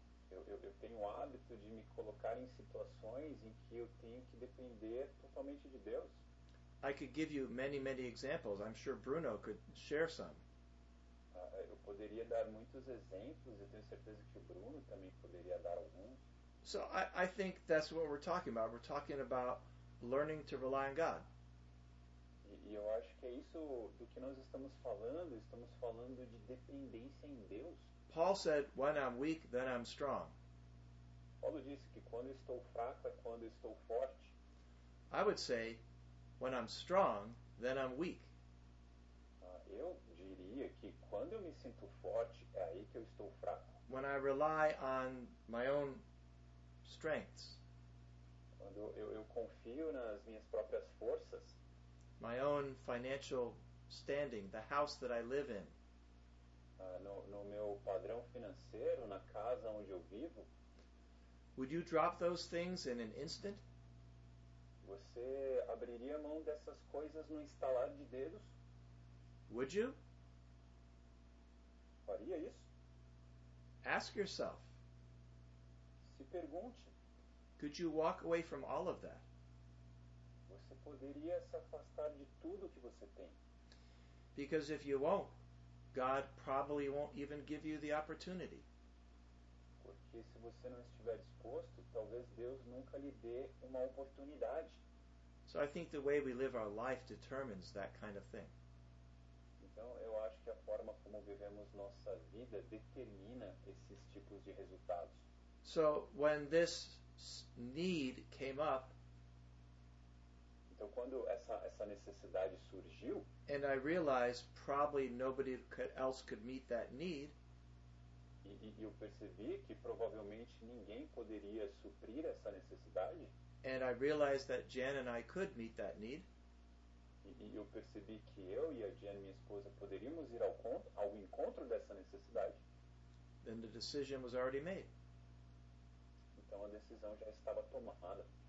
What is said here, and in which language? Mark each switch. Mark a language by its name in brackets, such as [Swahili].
[Portuguese] Eu tenho o hábito de me colocar em situações em que eu tenho que depender totalmente de Deus. [English] I could give you many, many examples. I'm sure Bruno could share some. [Portuguese] Eu poderia dar muitos exemplos. Eu tenho certeza que o Bruno também poderia dar alguns. [English] So I think that's what we're talking about. We're talking about learning to rely on God. [Portuguese] E eu acho que é isso do que nós estamos falando. Estamos falando de dependência em Deus. [English] Paul said, when I'm weak, then I'm strong. [Portuguese] Paulo disse que quando estou fraco é quando estou forte. [English] I would say, when I'm strong, then I'm weak. [Portuguese] Eu diria que quando eu me sinto forte, é aí que eu estou fraco. [English] When I rely on my own strengths. [Portuguese] Quando eu confio nas minhas próprias forças. [English] My own financial standing, the house that I live in. [Portuguese] No meu padrão financeiro, na casa onde eu vivo. [English] Would you drop those things in an instant? [Portuguese] Você abriria mão dessas coisas no estalar de dedos? [English] Would you? [Portuguese] Faria isso? [English] Ask yourself, [Portuguese] se pergunte, [English] could you walk away from all of that? [Portuguese] Você poderia se afastar de tudo que você tem. [English] Because if you won't, God probably won't even give you the opportunity. [Portuguese] Porque se você não estiver disposto, talvez Deus nunca lhe dê uma oportunidade. [English] So I think the way we live our life determines that kind of thing. [Portuguese] Então, eu acho que a forma como vivemos nossa vida determina esses tipos de resultados. [English] So, when this need came up, [Portuguese] então, quando essa necessidade surgiu, [English] and I realized probably nobody else could meet that need, [Portuguese] e eu percebi que provavelmente ninguém poderia suprir essa necessidade, [English] and I realized that Jan and I could meet that need, [Portuguese] e eu percebi que eu e a Jen, minha esposa, poderíamos ir ao encontro dessa necessidade, [English] then the decision was already made. [Portuguese] Então a decisão já estava tomada.